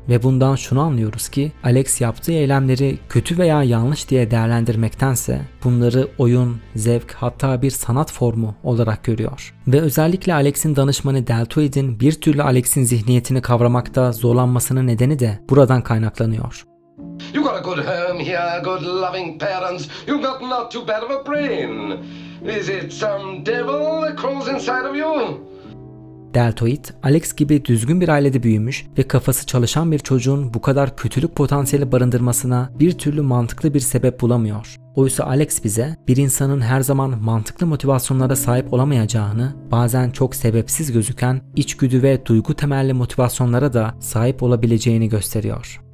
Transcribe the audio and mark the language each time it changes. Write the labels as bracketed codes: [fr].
[tr] Ve bundan şunu anlıyoruz ki Alex yaptığı eylemleri kötü veya yanlış diye değerlendirmektense bunları oyun, zevk hatta bir sanat formu olarak görüyor. Ve özellikle Alex'in danışmanı Deltoid'in bir türlü Alex'in zihniyetini kavramakta zorlanmasının nedeni de buradan kaynaklanıyor. [en] You got a good home here, good loving parents. You got not too bad of a brain. Is it some devil that crawls inside of you? [tr] Deltoid, Alex gibi düzgün bir ailede büyümüş ve kafası çalışan bir çocuğun bu kadar kötülük potansiyeli barındırmasına bir türlü mantıklı bir sebep bulamıyor. Oysa Alex bize bir insanın her zaman mantıklı motivasyonlara sahip olamayacağını, bazen çok sebepsiz gözüken içgüdü ve duygu temelli motivasyonlara da sahip olabileceğini gösteriyor.